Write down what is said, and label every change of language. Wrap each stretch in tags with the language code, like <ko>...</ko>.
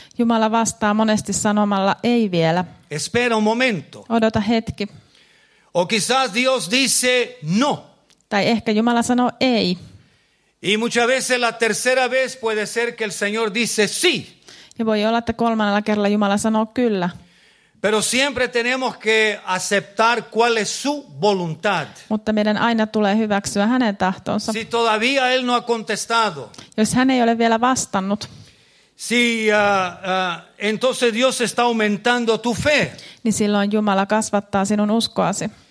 <fi>Jumala vastaa monesti sanomalla ei vielä.</fi> <es>Espera un momento.</es> <fi>Odota hetki.</fi> <es>O quizás Dios dice no.</es> <fi>Tai ehkä Jumala sanoo ei.</fi> <es>Y muchas veces la tercera vez puede ser que el Señor dice sí.</es> <fi>Ja voi olla, että kolmannella kerralla Jumala sanoo kyllä.</fi> <es>Pero siempre tenemos que aceptar cuál es su voluntad.</es> <fi>Mutta meidän aina tulee hyväksyä hänen tahtonsa.</fi> <es>Si todavía él no ha contestado.</es> <fi>Jos hän ei ole vielä vastannut.</fi> <es>Si entonces Dios está aumentando tu fe.</es> <fi>Niin silloin Jumala kasvattaa sinun uskoasi.</fi>